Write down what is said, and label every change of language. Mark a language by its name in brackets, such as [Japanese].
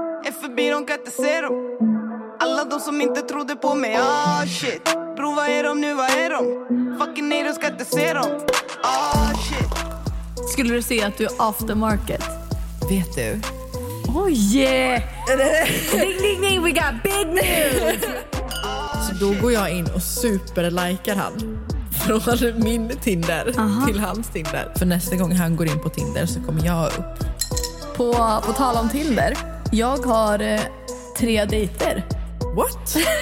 [Swedish] Är förbi, de kan inte se dem. Alla de som inte trodde på mig, [English] ah shit. [Swedish] Bro, vad är de nu, vad är de? Fucking nej, de ska inte se dem. [English] Ah shit. [Swedish] Skulle du säga att du är aftermarket? Vet du? [English] Oh yeah. Ding ding ding, we got big news. [Swedish] Då går jag in och superlikar han från min Tinder. Aha. Till hans Tinder. För nästa gång han går in på Tinder så kommer jag upp. På tal om Tinder, jag har 3 dejter. [English] What?